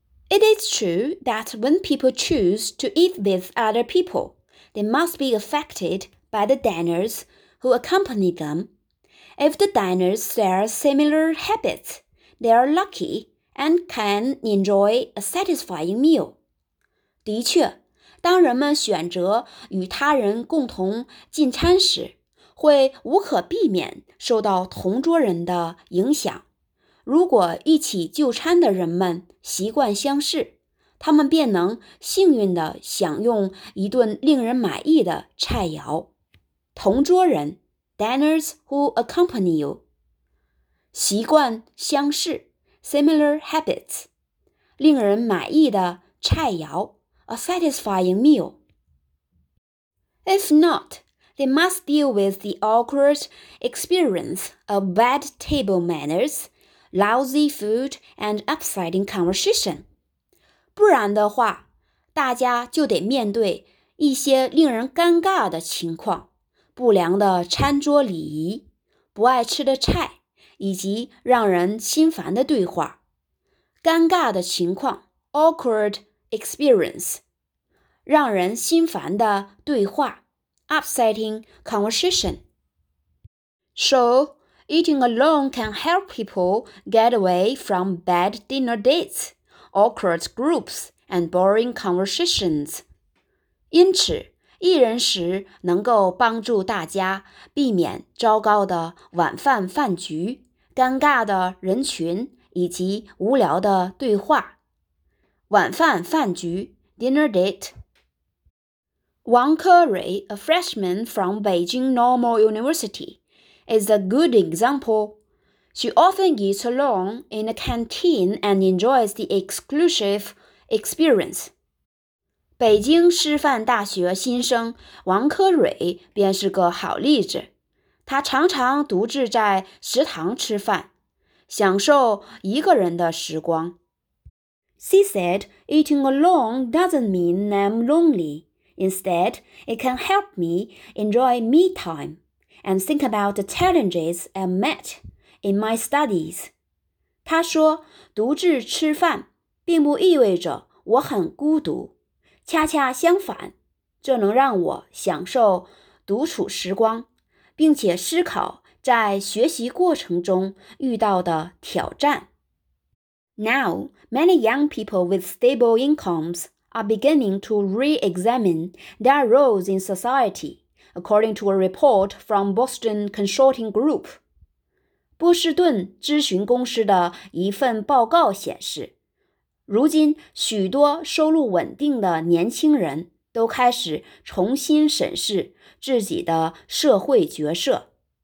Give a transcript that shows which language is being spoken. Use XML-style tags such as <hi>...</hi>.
<en>It is true that when people choose to eat with other people, they must be affected by the diners who accompany them. If the diners share similar habits, they are lucky and can enjoy a satisfying meal.</en> <zh>的确，当人们选择与他人共同进餐时，会无可避免受到同桌人的影响。如果一起就餐的人们习惯相似，他们便能幸运地享用一顿令人满意的菜肴。同桌人</zh> <en>,diners who accompany you.</en> <zh>习惯相似</zh> <en>,similar habits.</en> <zh>令人满意的菜肴</zh> <en>,a satisfying meal. If not, they must deal with the awkward experience of bad table manners,Lousy food and upsetting conversation.</en> <zh>不然的话，大家就得面对一些令人尴尬的情况，不良的餐桌礼仪，不爱吃的菜，以及让人心烦的对话。尴尬的情况 ,</zh> <en>awkward experience,</en> <zh>让人心烦的对话 ,</zh> <en>upsetting conversation. So,Eating alone can help people get away from bad dinner dates, awkward groups, and boring conversations.</en> <zh>因此，一人食能够帮助大家避免糟糕的晚饭饭局、尴尬的人群以及无聊的对话。晚饭饭局</zh> <en>,dinner date. Wang Curry, a freshman from Beijing Normal University,is a good example. She often eats alone in a canteen and enjoys the exclusive experience.</en> <zh>北京师范大学新生王科蕊便是个好例子。他常常独自在食堂吃饭，享受一个人的时光。</zh> <en>She said, eating alone doesn't mean I'm lonely. Instead, it can help me enjoy me time. And think about the challenges I met in my studies.</en> <zh>他说，独自吃饭并不意味着我很孤独，恰恰相反，这能让我享受独处时光，并且思考在学习过程中遇到的挑战。</zh> <en>Now, many young people with stable incomes are beginning to re-examine their roles in society. According to a report from Boston Consulting Group,</en> <zh>波士顿咨询公司的一份报告显示，如今许多收入稳定的年轻人都开始重新审视自己的社会角色。</zh>